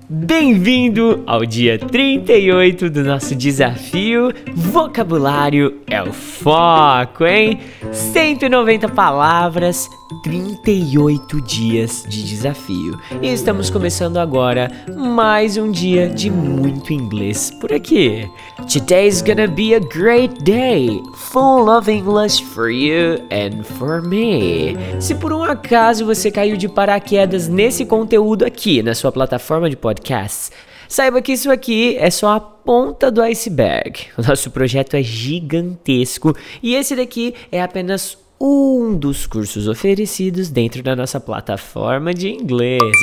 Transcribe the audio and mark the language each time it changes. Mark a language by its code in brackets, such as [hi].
[pt] Bem-vindo ao dia 38 do nosso desafio Vocabulário é o Foco, hein? 190 palavras, 38 dias de desafio. E estamos começando agora mais um dia de muito inglês por aqui. [en] Today's gonna be a great day, full of English for you and for me. [pt] Se por um acaso você caiu de paraquedas nesse conteúdo aqui, na sua plataforma de podcasts, saiba que isso aqui é só a ponta do iceberg. O nosso projeto é gigantesco e esse daqui é apenas um dos cursos oferecidos dentro da nossa plataforma de inglês.